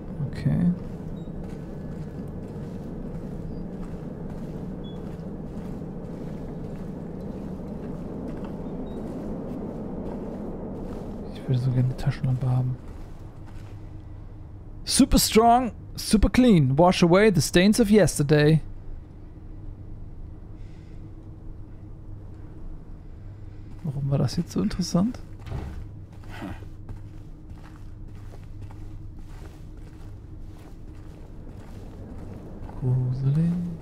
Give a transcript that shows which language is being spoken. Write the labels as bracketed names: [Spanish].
[English] Okay. [German] würde so gerne eine Taschenlampe haben. [English] Super strong, super clean. Wash away the stains of yesterday. [German] Warum war das jetzt so interessant? Gruselig.